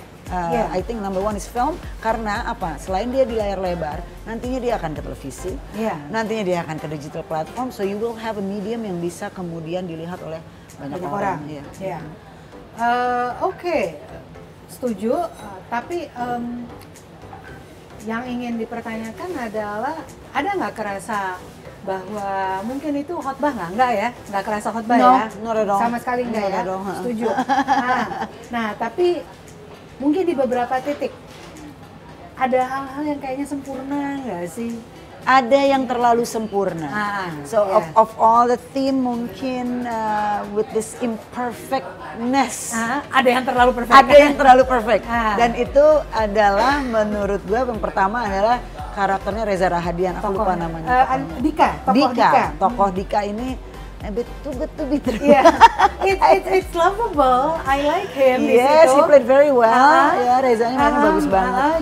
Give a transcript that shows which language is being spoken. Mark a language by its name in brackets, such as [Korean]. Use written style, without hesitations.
[English] I think number one is film [Indonesian] karena apa? Selain dia di layar lebar, nantinya dia akan ke televisi. [English] Yeah. [Indonesian] Nantinya dia akan ke [English] digital platform, so you will have a medium [Indonesian] yang bisa kemudian dilihat oleh banyak orang. Iya. Yeah. Okay. Setuju, tapi yang ingin dipertanyakan adalah ada nggak kerasa bahwa mungkin itu khotbah nggak? Nggak ya? Nggak kerasa khotbah ya? [English] No, not at all. [Indonesian] Sama sekali nggak ya? Setuju. Nah, tapi mungkin di beberapa titik ada hal-hal yang kayaknya sempurna nggak sih? Ada yang terlalu sempurna. [English] So of all the theme mungkin with this imperfectness. [Indonesian] Ada yang terlalu perfect. Ada yang terlalu perfect. Dan itu adalah menurut gue yang pertama adalah karakternya Reza Rahadian. Aku lupa namanya. Tokoh Dika [English] ini a bit too good to be true. Yeah. It's lovable. I like him. Yes, he played very well. Yeah, [Indonesian] Rezanya memang bagus banget.